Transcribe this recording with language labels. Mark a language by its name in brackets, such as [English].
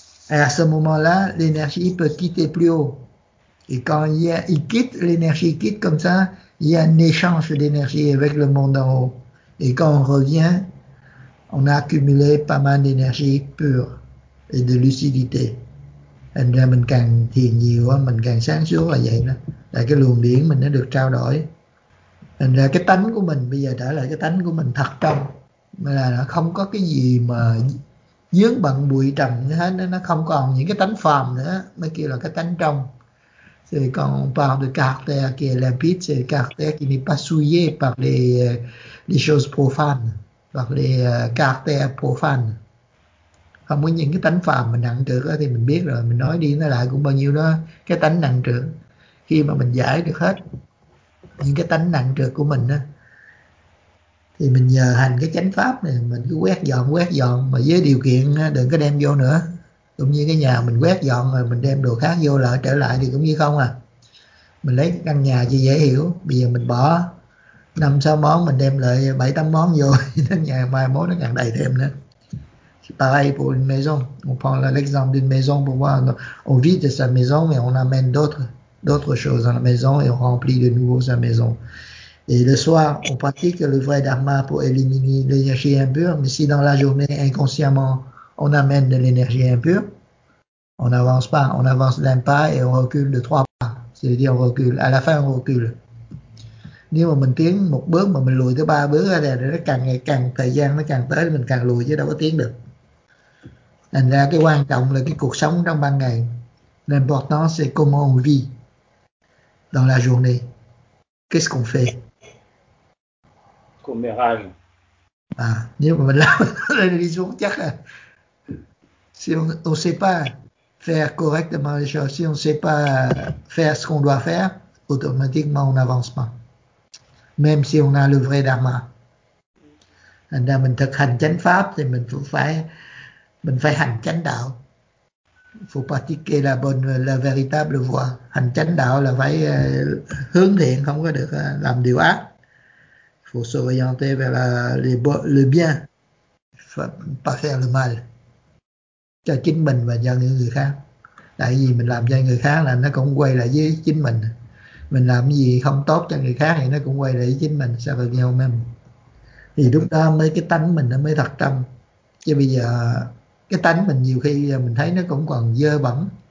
[French] Et à ce moment-là, l'énergie peut quitter plus haut. Et quand l'énergie quitte comme ça, il y a un échange d'énergie avec le monde en haut. Et quand on revient, on a accumulé pas mal d'énergie pure et de lucidité. [Vietnamese] Thành ra mình càng thiền nhiều, mình càng sáng suốt là vậy đó. Là cái luồng điển mình nó được trao đổi. Thành ra cái tánh của mình bây giờ trở lại cái tánh của mình thật trong. Là nó không có cái gì mà dướng bận bụi trần hết. Nó không còn những cái tánh phàm nữa. Mới kêu là cái tánh trong. [French] C'est quand on parle de caractère qui est limpide, c'est le caractère qui n'est pas souillé par les choses profanes. [Vietnamese] Hoặc là [French] caractère profane. [Vietnamese] Không có những cái tánh phàm mình nặng trược thì mình biết rồi, mình nói đi nói lại cũng bao nhiêu đó, cái tánh nặng trược. Khi mà mình giải được hết những cái tánh nặng trược của mình đó, thì mình nhờ hành cái chánh pháp này, mình cứ quét dọn, mà với điều kiện đừng có đem vô nữa. Cũng như cái nhà mình quét dọn rồi mình đem đồ khác vô lại trở lại thì cũng như không à. Mình lấy căn nhà chỉ dễ hiểu, bây giờ mình bỏ 5-6 món mình đem lại 7-8 món vô đến nhà mai mốt nó càng đầy thêm nữa. [French] Pareil pour une maison. On prend l'exemple d'une maison pour voir. On vit de sa maison mais on amène d'autres choses dans la maison et on remplit de nouveau sa maison. Et le soir, on pratique le vrai dharma pour éliminer l'énergie impure. Mais si dans la journée, inconsciemment, on amène de l'énergie impure, on n'avance pas. On avance d'un pas et on recule de 3 pas. C'est-à-dire on recule. À la fin, on recule. [Vietnamese] Nếu mà mình tiến một bước mà mình lùi tới 3 bước thì nó càng ngày càng thời gian nó càng tới mình càng lùi chứ đâu có tiến được. Thành ra cái quan trọng là cái cuộc sống trong ban ngày. [French] L'important c'est comment on vit dans la journée. Qu'est-ce qu'on fait? Commérage. [Vietnamese] À, nếu mà mình làm [French] les jours [Vietnamese] chắc là [French] si on sait pas faire correctement les choses, si on sait pas faire ce qu'on doit faire, automatiquement on n'avance pas. Même si on a le vrai dharma. [Vietnamese] Thành ra mình thực hành chánh pháp thì mình phải hành chánh đạo. [French] Faut pratiquer la véritable voie. [Vietnamese] Hành chánh đạo là phải hướng thiện, không có được làm điều ác. [French] Faut s'orienter vers le bien. Faut pas faire le mal. [Vietnamese] Cho chính mình và cho những người khác. Tại vì mình làm cho người khác là nó cũng quay lại với chính mình. Mình làm cái gì không tốt cho người khác thì nó cũng quay lại với chính mình, sao phải nhau mình. Thì lúc đó mới cái tánh mình nó mới thật tâm. Chứ bây giờ cái tánh mình nhiều khi mình thấy nó cũng còn dơ bẩn.